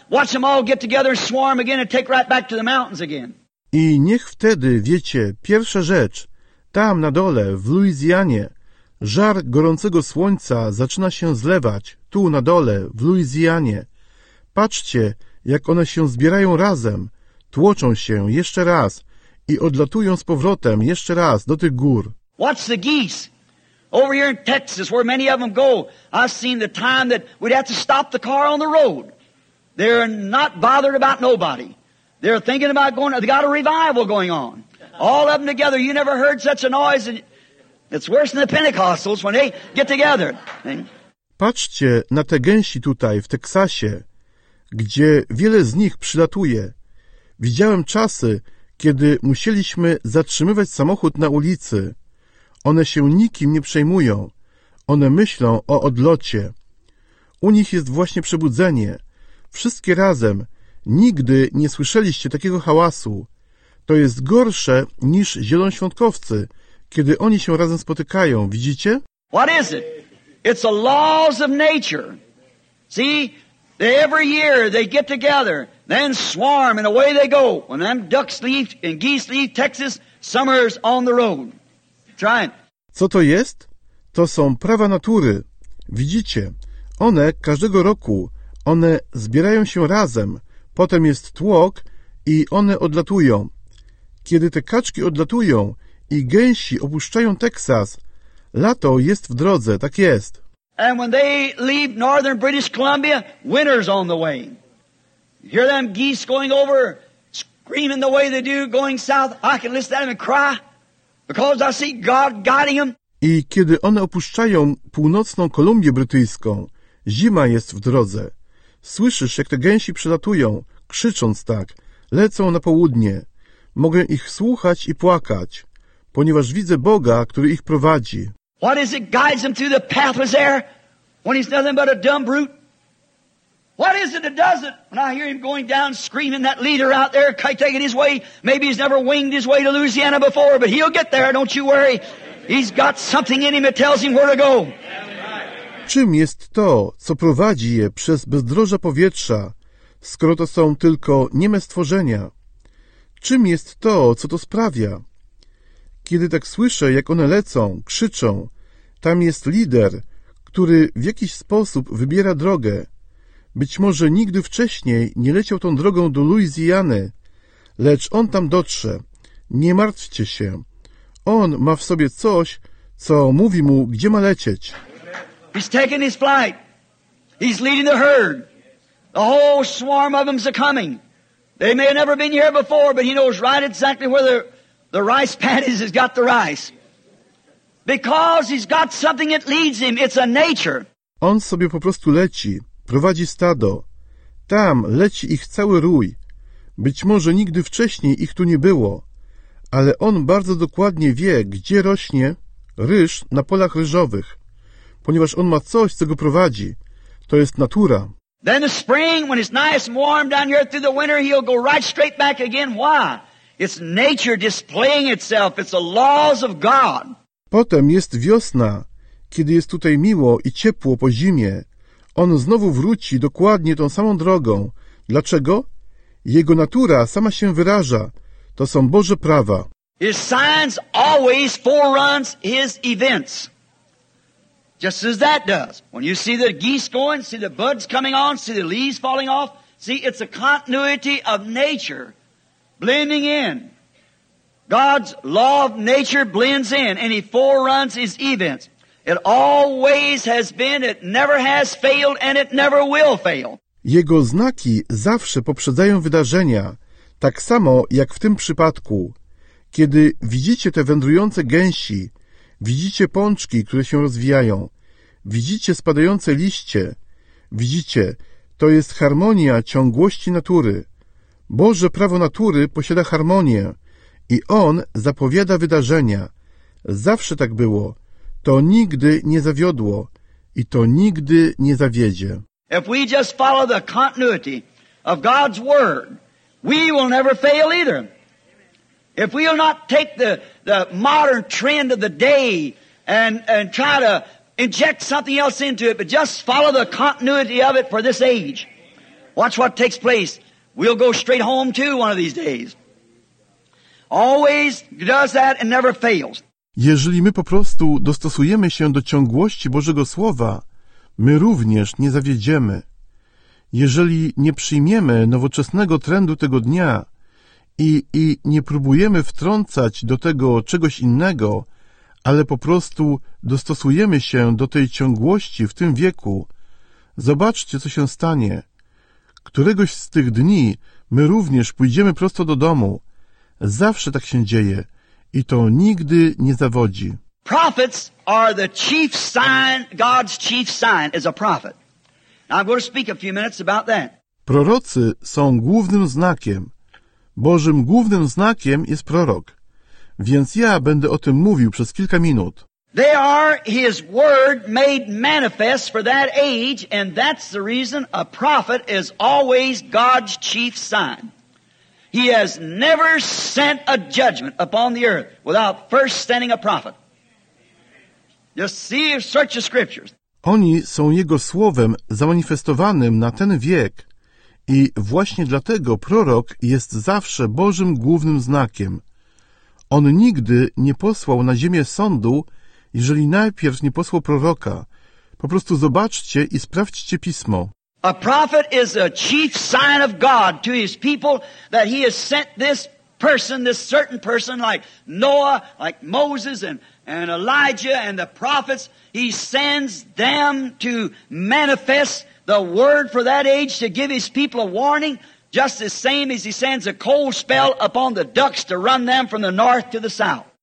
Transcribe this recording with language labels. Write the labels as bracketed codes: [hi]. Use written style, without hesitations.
[en] Watch them all get together, swarm again, and take right back to the mountains again. [pl] I niech wtedy, wiecie, pierwsza rzecz, tam na dole, w Luizjanie, żar gorącego słońca zaczyna się zlewać, tu na dole, w Luizjanie. Patrzcie, jak one się zbierają razem, tłoczą się jeszcze raz i odlatują z powrotem jeszcze raz do tych gór. [en] Watch the geese. Over here in Texas, where many of them go, I've seen the time that we'd have to stop the car on the road. They're not bothered about nobody. They're thinking about going, they got a revival going on. All of them together, you never heard such a noise. It's worse than the Pentecostals when they get together. [pl] Patrzcie na te gęsi tutaj, w Teksasie, gdzie wiele z nich przylatuje. Widziałem czasy, kiedy musieliśmy zatrzymywać samochód na ulicy. One się nikim nie przejmują. One myślą o odlocie. U nich jest właśnie przebudzenie. Wszystkie razem. Nigdy nie słyszeliście takiego hałasu. To jest gorsze niż zielonoświątkowcy, kiedy oni się razem spotykają. Widzicie? [en] What is it? It's the laws of nature. See? Every year they get together, then swarm, and away they go. When them ducks leave and geese leave Texas, summer's on the road. Try it. [pl] Co to jest? To są prawa natury. Widzicie? One każdego roku, one zbierają się razem. Potem jest tłok i one odlatują. Kiedy te kaczki odlatują i gęsi opuszczają Teksas, lato jest w drodze, tak jest. [en] And when they leave northern British Columbia, winter's on the way. You hear them geese going over, screaming the way they do, going south. I can listen to them and cry, because I see God guiding them. [pl] I kiedy one opuszczają północną Kolumbię Brytyjską, zima jest w drodze. Słyszysz, jak te gęsi przylatują, krzycząc tak, lecą na południe. Mogę ich słuchać i płakać, ponieważ widzę Boga, który ich prowadzi. [en] What is it guides them through the pathless air when he's nothing but a dumb brute? What is it that does it when I hear him going down screaming that leader out there, kite taking his way? Maybe he's never winged his way to Louisiana before, but he'll get there, don't you worry. He's got something in him that tells him where to go. [pl] Czym jest to, co prowadzi je przez bezdroża powietrza, skoro to są tylko nieme stworzenia? Czym jest to, co to sprawia? Kiedy tak słyszę, jak one lecą, krzyczą, tam jest lider, który w jakiś sposób wybiera drogę. Być może nigdy wcześniej nie leciał tą drogą do Luizjany, lecz on tam dotrze. Nie martwcie się. On ma w sobie coś, co mówi mu, gdzie ma lecieć. [en] He's taking his flight. He's leading the herd. The whole swarm of them's coming. They may have never been here before, but he knows right exactly where the rice paddies has got the rice. Because he's got something that leads him. It's a nature. [pl] On sobie po prostu leci, prowadzi stado. Tam leci ich cały rój. Być może nigdy wcześniej ich tu nie było, ale on bardzo dokładnie wie, gdzie rośnie ryż na polach ryżowych. Ponieważ on ma coś, co go prowadzi. To jest natura. [en] Then the spring, when it's nice and warm down here through the winter, he'll go right straight back again. Why? It's nature displaying itself. It's the laws of God. [pl] Potem jest wiosna, kiedy jest tutaj miło i ciepło po zimie. On znowu wróci dokładnie tą samą drogą. Dlaczego? Jego natura sama się wyraża. To są Boże prawa. [en] His signs always foreruns his events. Just as that does. When you see the geese going, see the buds coming on, see the leaves falling off. See, it's a continuity of nature blending in. God's law of nature blends in and he foreruns his events. It always has been, it never has failed and it never will fail. [pl] Jego znaki zawsze poprzedzają wydarzenia, tak samo jak w tym przypadku. Kiedy widzicie te wędrujące gęsi, widzicie pączki, które się rozwijają. Widzicie spadające liście. Widzicie, to jest harmonia ciągłości natury. Boże prawo natury posiada harmonię i on zapowiada wydarzenia. Zawsze tak było. To nigdy nie zawiodło i to nigdy nie zawiedzie. [en] If we just follow the continuity of God's word, we will never fail either. If we will not take the modern trend of the day and try to inject something else into it, but just follow the continuity of it for this age. Watch what takes place. We'll go straight home too one of these days. Always does that and never fails. [pl] Jeżeli my po prostu dostosujemy się do ciągłości Bożego Słowa, my również nie zawiedziemy. Jeżeli nie przyjmiemy nowoczesnego trendu tego dnia i nie próbujemy wtrącać do tego czegoś innego, ale po prostu dostosujemy się do tej ciągłości w tym wieku. Zobaczcie, co się stanie. Któregoś z tych dni my również pójdziemy prosto do domu. Zawsze tak się dzieje i to nigdy nie zawodzi. [en] Prophets are the chief sign, God's chief sign is a prophet. Now I'm going to speak a few minutes about that. [pl] Prorocy są głównym znakiem. Bożym głównym znakiem jest prorok. Więc ja będę o tym mówił przez kilka minut. [en] They are his word made manifest for that age, and that's the reason a prophet is always God's chief sign. He has never sent a judgment upon the earth without first sending a prophet. Just see, search the scriptures. [pl] Oni są jego słowem zamanifestowanym na ten wiek i właśnie dlatego prorok jest zawsze Bożym głównym znakiem. On nigdy nie posłał na ziemię sądu, jeżeli najpierw nie posłał proroka. Po prostu zobaczcie i sprawdźcie pismo. [en] A prophet is a chief sign of God to his people that he has sent this person, this certain person like Noah, like Moses and Elijah and the prophets. He sends them to manifest the word for that age to give his people a warning, just the same as he sends a cold spell upon the ducks to run them from the north to the south.